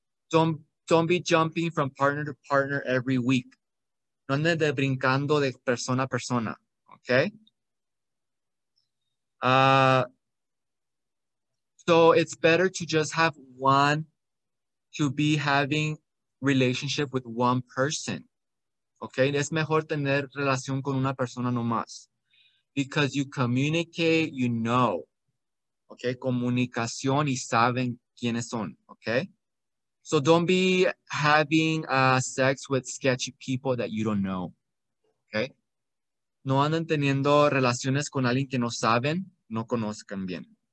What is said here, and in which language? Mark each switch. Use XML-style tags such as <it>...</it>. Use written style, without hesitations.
<en>Don't be jumping from partner to partner every week.</en> <es>No andes de brincando de persona a persona. Okay?</es> <en>So it's better to just have one to be having relationship with one person.</en> <es>Okay, es mejor tener relación con una persona nomás.</es> <en>Because you communicate, you know. Okay,</en> <es>comunicación y saben quiénes son.</es> <en>Okay, so don't be having sex with sketchy people that you don't know.</en> <es>Okay, no anden teniendo relaciones con alguien que no saben, no conozcan bien.</es>